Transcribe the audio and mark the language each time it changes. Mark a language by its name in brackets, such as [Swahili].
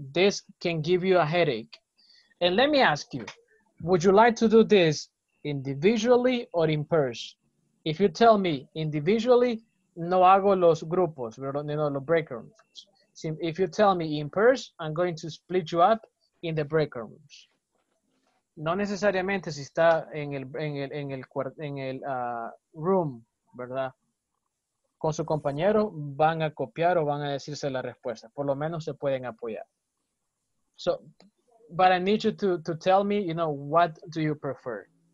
[English] This can give you a headache. And let me ask you. Would you like to do this individually or in pairs? If you tell me individually, [Spanish] no hago los grupos, los [English] break rooms. If you tell me in pairs, I'm going to split you up in the break rooms. [Spanish] No necesariamente si está en el room, ¿verdad? Con su compañero van a copiar o van a decirse la respuesta. Por lo menos se pueden apoyar. [English] So, but I need you to tell me, you know, what do you prefer?